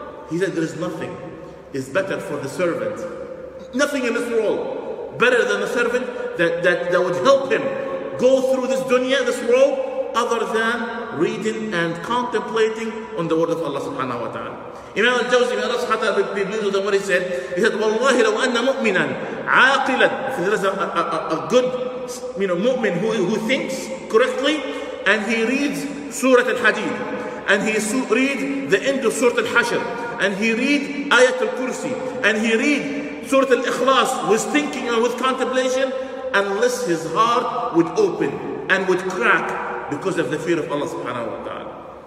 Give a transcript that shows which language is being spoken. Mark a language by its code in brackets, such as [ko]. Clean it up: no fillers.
[en] He said there is nothing is better for the servant. Nothing in this world better than the servant that would help him go through this dunya, this world, other than reading and contemplating on the word of Allah subhanahu wa ta'ala. Imam al-Jawzi, may Allah subhanahu wa ta'ala be pleased with him, what he said. He said, [ar] وَاللَّهِ لَوْ أَنَّ مُؤْمِنًا عَاقِلًا. [en] If there is a good, you know, mu'min who thinks correctly, and he reads Surah Al-Hadid, and he reads the end of Surah Al-Hashr, and he reads Ayat Al-Kursi, and he reads Surah Al-Ikhlas with thinking and with contemplation, unless his heart would open and would crack because of the fear of Allah subhanahu wa ta'ala.